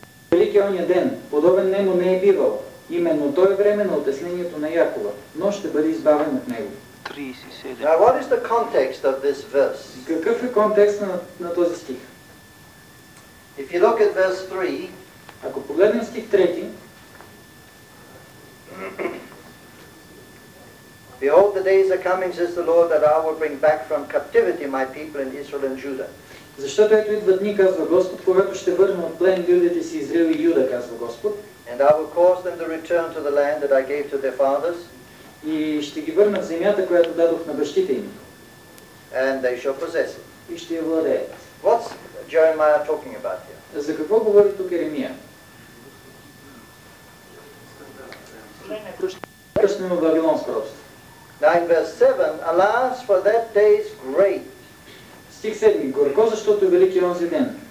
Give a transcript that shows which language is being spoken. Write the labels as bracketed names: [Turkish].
[Bulgarian] Великият оня ден, подобен нему не е бивал. Именно той е време на отеснението на Якова, но ще бъде избавен от него. 37. [English] Now what is the context of this verse? [Bulgarian] Какъв е контекстът на този стих? [English] If you look at verse 3, [Bulgarian] ако погледнем стих 3, [English] Behold the days are coming, says the Lord, that I will bring back from captivity my people in Israel and Judah. [Bulgarian] Защото ето идват дни, казва Господ, когато ще върна от плен людите си Израил и Юда, казва Господ. [English] And I will cause them to return to the land that I gave to their fathers. [Bulgarian] И ще ги върна в земята, която дадох на бащите им. [English] And they shall possess it. [Bulgarian] И ще я владеят. [English] What's Jeremiah talking about here? [Bulgarian] За какво говори тук Еремия? Връщане на Вавилон с робство. [English] Now in verse 7, alas for that day is great. [Bulgarian] Стих 7, горко защото е велики онзи ден.